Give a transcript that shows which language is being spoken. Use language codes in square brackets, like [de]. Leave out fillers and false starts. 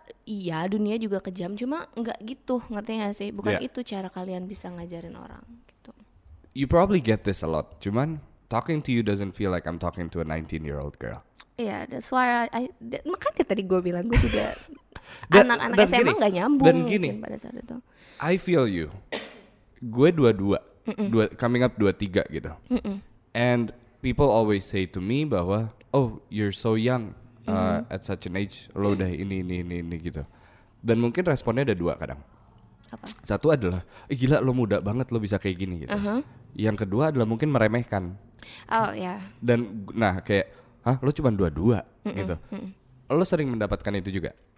[id] Iya, dunia juga kejam, cuma nggak gitu, ngerti nggak sih? Bukan yeah. itu cara kalian bisa ngajarin orang gitu. [en] You probably get this a lot, [id] cuman [en] talking to you doesn't feel like I'm talking to a 19-year-old girl. Yeah, that's why [id] makanya tadi gue bilang, gue juga anak-anak dan SMA nggak nyambung dan gini, mungkin pada saat itu. [en] I feel you. [id] Gue 22, [en] coming up 23 gitu. Mm-mm. And people always say to me [id] bahwa, [en] oh, you're so young. At such an age, [id] lo udah ini gitu. Dan mungkin responnya ada dua kadang. Apa? Satu adalah, gila lo muda banget lo bisa kayak gini gitu. Uh-huh. Yang kedua adalah mungkin meremehkan. Oh ya. Yeah. Dan nah kayak, hah lo cuma 22 gitu. Lo sering mendapatkan itu juga?